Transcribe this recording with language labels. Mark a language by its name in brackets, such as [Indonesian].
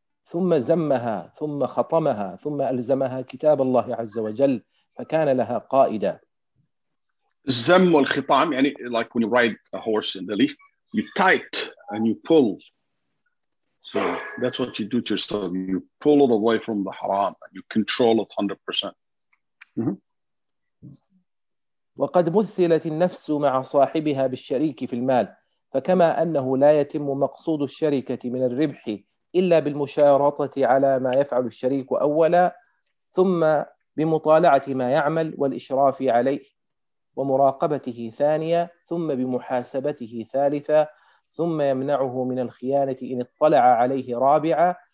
[Arabic] ثم زمها، ثم خطمها، ثم ألزمها كتاب الله عز وجل، فكان لها قائدا. الزم والخطام يعني [English] like when you ride a horse in the leaf, you tight and you pull. So that's what you do to yourself. You pull it away from the haram and you control it 100%. [Arabic] وقد مثلت النفس مع صاحبها بالشريك في المال، فكما أنه لا يتم مقصود الشركة من الربح إلا بالمشارطة على ما يفعل الشريك أولا، ثم بمطالعة ما يعمل والإشراف عليه ومراقبته ثانيا، ثم بمحاسبته ثالثا، ثم يمنعه من الخيانة إن اطلع عليه رابعا.